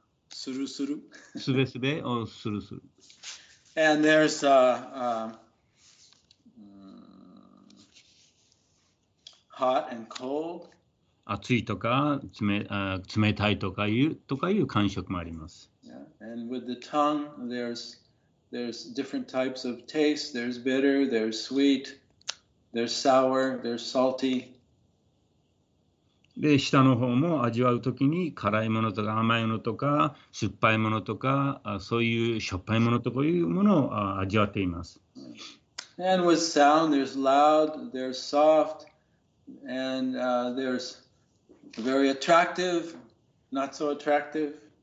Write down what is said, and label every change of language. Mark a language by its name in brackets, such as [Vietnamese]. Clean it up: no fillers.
[Japanese] するする。すべすべをするする。 [English] And there's hot and cold. [Japanese] 暑いとか冷たいとかいう感触もあります。 Yeah. [English] And with the tongue, there's different types of taste. There's bitter, there's sweet, there's sour, there's salty. [Japanese] で、舌の方も味わうときに辛いものとか甘いものとか酸っぱいものとかそういうしょっぱいものとかいうものを味わっています。 [English] And with sound, there's loud, there's soft, and there'sVery attractive, not so attractive.